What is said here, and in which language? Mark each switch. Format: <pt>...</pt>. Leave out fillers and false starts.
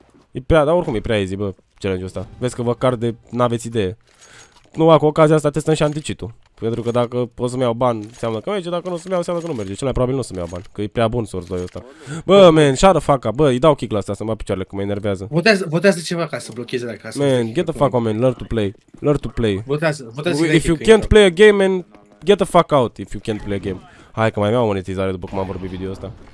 <ro>E prea, dar oricum e prea easy, bă, challenge-ul ăsta. Vezi că vă car de, n-aveți idee. Nu, cu ocazia asta testăm și anticitul. Pentru că dacă pot să-mi iau bani, înseamnă că merge, dacă nu o să-mi iau, înseamnă că nu merge. Cel mai probabil nu o să-mi iau bani, că e prea bun Source 2 ăsta.</ro> <en>Bă, man, shut the fuck up,</en> <ro>bă, îi dau kick la asta, să-mi bag picioarele, că mă enervează. Votează ceva ca să blocheze la casă.</ro> <en>Man, get the fuck out, man, learn to play.</en> <ro>Votează.</ro> <en>If you can't play a game, man, get the fuck out if you can't play a game.</en> <ro>Hai că mai iau monetizare după cum am vorbit video-ul ăsta.</ro>